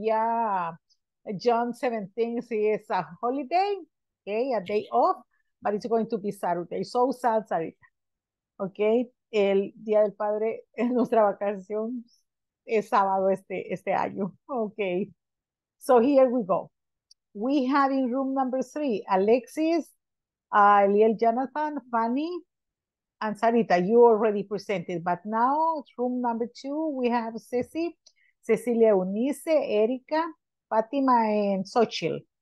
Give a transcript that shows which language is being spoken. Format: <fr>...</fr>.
<en>Yeah, John 17th is a holiday, okay, a day off, but it's going to be Saturday. So sad, Sarita.</en> <es>Okay, el Día del Padre, nuestra vacación es sábado este año.</es> <en>Okay, so here we go. We have in room number three, Alexis, Eliel Jonathan, Fanny, and Sarita, you already presented, but now room number two, we have Cecilia Unice, Erika, Fatima, and Xochitl.</en>